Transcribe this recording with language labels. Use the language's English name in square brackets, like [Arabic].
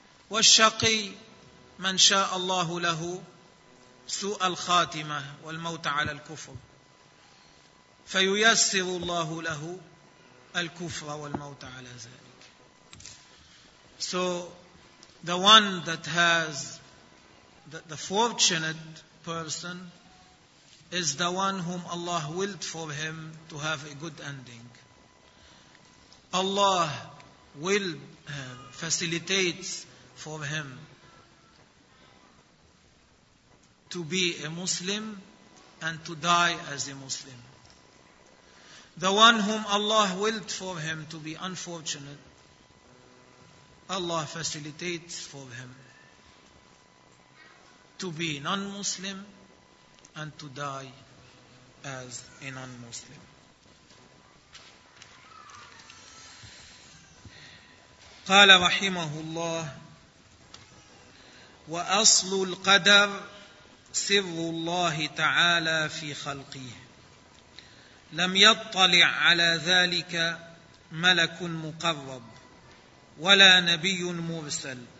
[Arabic] والشقي من شاء الله له سوء الخاتمة والموت على الكفر فييسر الله له الكفر والموت على ذلك. [English] So the one that has the fortunate person is the one whom Allah willed for him to have a good ending. Allah will facilitate for him to be a Muslim and to die as a Muslim. The one whom Allah willed for him to be unfortunate, Allah facilitates for him to be non-Muslim and to die as a non-Muslim. [Arabic] قال رحمه الله وأصل القدر سر الله تعالى في خلقه لم يطلع على ذلك ملك مقرب ولا نبي مرسل